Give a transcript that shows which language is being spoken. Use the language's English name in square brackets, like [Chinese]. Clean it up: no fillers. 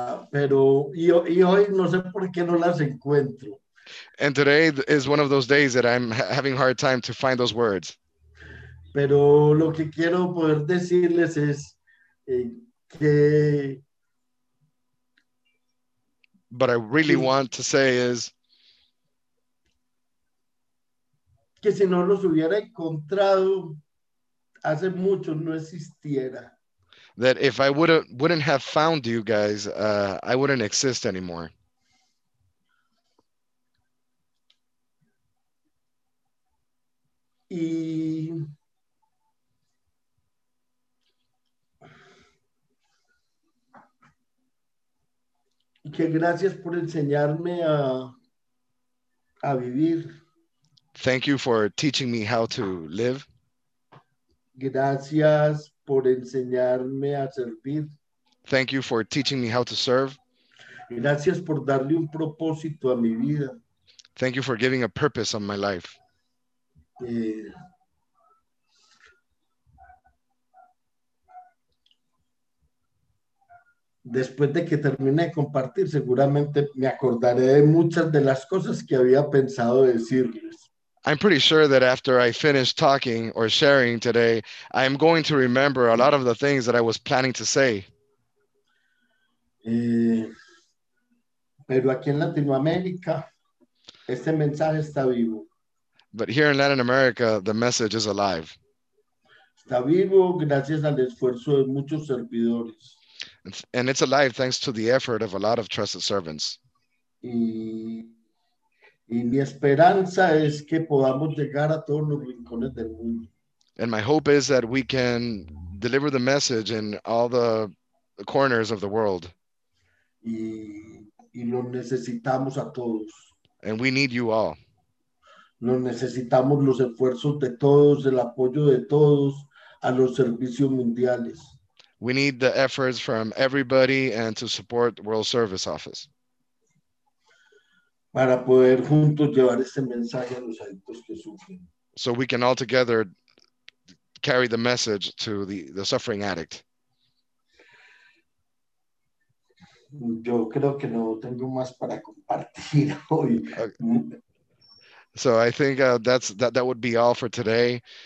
[Spanish] Pero hoy no sé por qué no las encuentro. [English] And today is one of those days that I'm having a hard time to find those words. [Spanish] Pero lo que quiero poder decirles es que... [English] But I really want to say is... [Spanish] Que si no los hubiera encontrado, hace mucho no existiera. [English] That if I wouldn't have found you guys, I wouldn't exist anymore. [Spanish] Y que gracias por enseñarme a vivir. [English] Thank you for teaching me how to live. [Spanish] Gracias por enseñarme a servir. [English] Thank you for teaching me how to serve. [Spanish] Gracias por darle un propósito a mi vida. [English] Thank you for giving a purpose on my life. [Spanish] Después de que termine de compartir, seguramente me acordaré de muchas de las cosas que había pensado decirles. [English] I'm pretty sure that after I finish talking or sharing today, I'm going to remember a lot of the things that I was planning to say. [Spanish] Pero aquí en Latinoamérica, este mensaje está vivo. [English] But here in Latin America, the message is alive. [Spanish] Está vivo gracias al esfuerzo de muchos servidores. [English] And it's alive thanks to the effort of a lot of trusted servants. [Spanish] Y mi esperanza es que podamos llegar a todos los rincones del mundo. [English] And my hope is that we can deliver the message in all the corners of the world. [Spanish] Y los necesitamos a todos. [English] And we need you all. [Spanish] Nos necesitamos los esfuerzos de todos, el apoyo de todos a los servicios mundiales. [English] We need the efforts from everybody and to support World Service Office. [Spanish] Para poder juntos llevar este mensaje a los adictos que sufren. [English] So we can all together carry the message to the suffering addict. [Spanish] Yo creo que no tengo más para compartir hoy. [English] Okay. So I think that would be all for today.